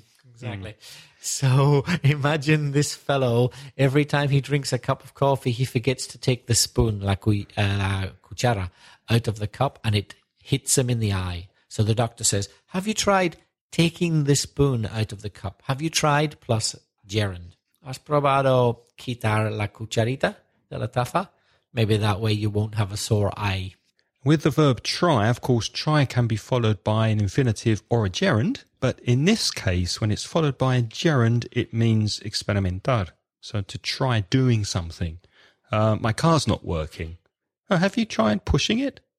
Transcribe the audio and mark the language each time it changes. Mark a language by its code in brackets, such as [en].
[en] Exactly. So imagine this fellow, every time he drinks a cup of coffee, he forgets to take the spoon, la cuchara, out of the cup and it hits him in the eye. So the doctor says, "Have you tried taking the spoon out of the cup? Have you tried plus gerund? [es] ¿Has probado quitar la cucharita de la taza? [en] Maybe that way you won't have a sore eye." With the verb try, of course, try can be followed by an infinitive or a gerund. But in this case, when it's followed by a gerund, it means experimentar, so to try doing something. My car's not working. Oh, have you tried pushing it?